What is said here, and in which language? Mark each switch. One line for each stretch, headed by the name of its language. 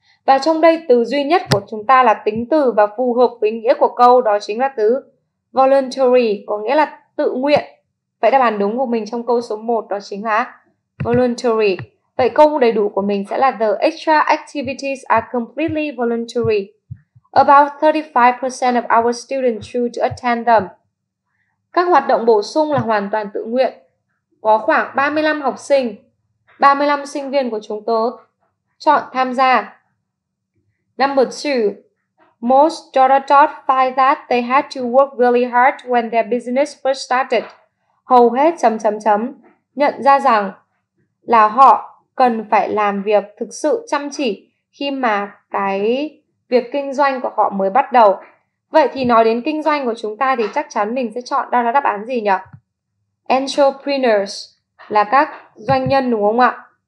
Vietnamese: Và trong đây từ duy nhất của chúng ta là tính từ và phù hợp với nghĩa của câu đó chính là từ voluntary, có nghĩa là tự nguyện. Vậy đáp án đúng của mình trong câu số 1 đó chính là voluntary. Vậy câu đầy đủ của mình sẽ là
English: the extra activities are completely voluntary. About 35% of our students choose to attend them.
Vietnamese: Các hoạt động bổ sung là hoàn toàn tự nguyện. Có khoảng 35 học sinh, 35 sinh viên của chúng tớ chọn tham gia.
English: Number 2. Most dot-dot-dot find that they had to work really hard when their business first started.
Vietnamese: Hầu hết .. nhận ra rằng là họ cần phải làm việc thực sự chăm chỉ khi mà cái việc kinh doanh của họ mới bắt đầu. Vậy thì nói đến kinh doanh của chúng ta thì chắc chắn mình sẽ chọn đâu là đáp án gì nhỉ? Entrepreneurs là các doanh nhân đúng không ạ?